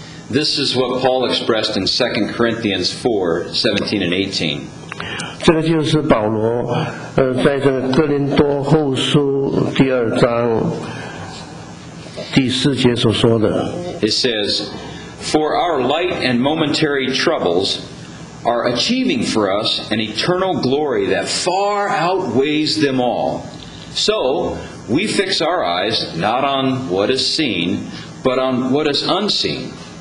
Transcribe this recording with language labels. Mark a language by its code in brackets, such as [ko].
[en] This is what Paul expressed in 2 Corinthians 4:17 and 18. [zh] 这个就是保罗在这个哥林多后书第二章第四节所说的。 [en] It says, "For our light and momentary troubles are achieving for us an eternal glory that far outweighs them all. So we fix our eyes not on what is seen, but on what is unseen."